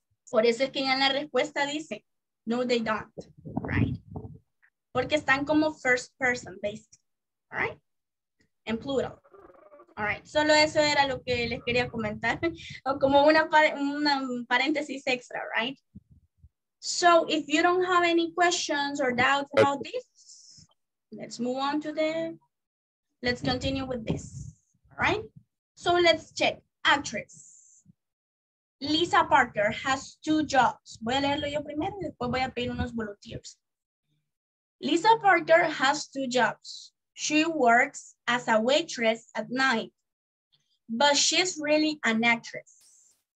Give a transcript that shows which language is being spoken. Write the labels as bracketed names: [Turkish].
[Spanish] Por eso es que en la respuesta dice, no, [English] they don't, right? [Spanish] Porque están como [English] first person, basically, right? [Spanish] En plural. [English] All right, [Spanish] solo eso era lo que les quería comentar, o como una paréntesis extra, right? [English] So, if you don't have any questions or doubts about this, let's move on to the, let's continue with this, all right? So, let's check. Actress. Lisa Parker has two jobs. [Spanish] Voy a leerlo yo primero y después voy a pedir unos volunteers. [English] Lisa Parker has two jobs. She works as a waitress at night, but she's really an actress.